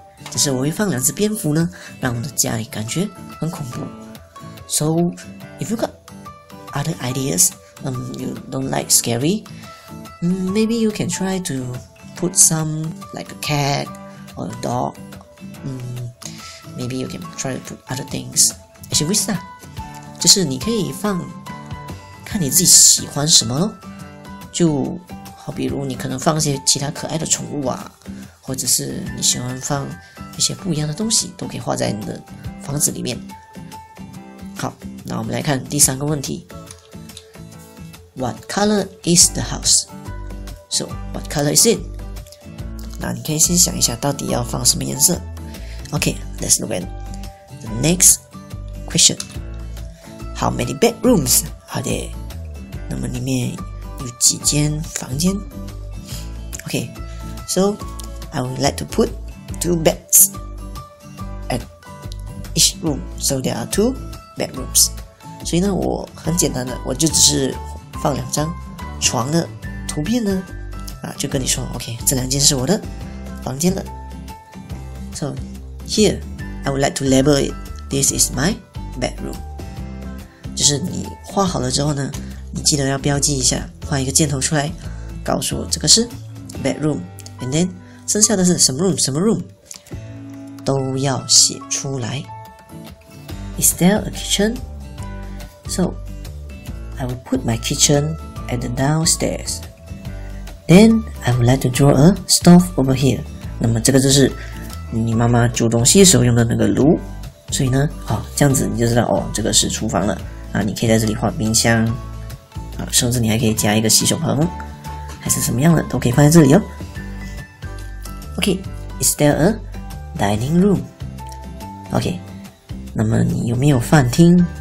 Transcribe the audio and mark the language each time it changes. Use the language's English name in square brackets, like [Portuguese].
[Chinese] 就是我会放两只蝙蝠呢，让我的家里感觉很恐怖。 [English] So if you got other ideas, you don't like scary, maybe you can try toput some like a cat or a dog. Maybe you can try to put other things. Actually, wish that. [Chinese] 就是你可以放看你自己喜欢什么，就好比如你可能放一些其他可爱的宠物啊，或者是你喜欢放一些不一样的东西，都可以画在你的房子里面。好，那我们来看第三个问题。 [English] What color is the house? So what color is it? [Chinese] 那你可以先想一下到底要放什么颜色。 [English] OK, let's look at the next question. How many bedrooms are there? [Chinese] 那么里面有几间房间？ [English] OK, so I would like to put two beds at each room. So there are two bedrooms. [Chinese] 所以呢，我很简单的，我就只是放两张床的图片呢，啊，就跟你说 OK, 这两间是我的房间了。 [English] So here I would like to label it. This is my bedroom. [Chinese] 就是你画好了之后呢，你记得要标记一下，画一个箭头出来告诉我这个是 bedroom, [English] and then [Chinese] 剩下的是什么 room 什么 room 都要写出来。 [English] Is there a kitchen? So I will put my kitchen at the downstairs. Then, I would like to draw a stove over here. [Chinese] 那么这个就是你妈妈煮东西的时候用的那个炉。所以呢，好，这样子你就知道，哦，这个是厨房了。啊，你可以在这里画冰箱。啊，甚至你还可以加一个洗手盆，还是什么样的，都可以放在这里哦。 [English] Okay, is there a dining room? Okay, [Chinese] 那么你有没有饭厅？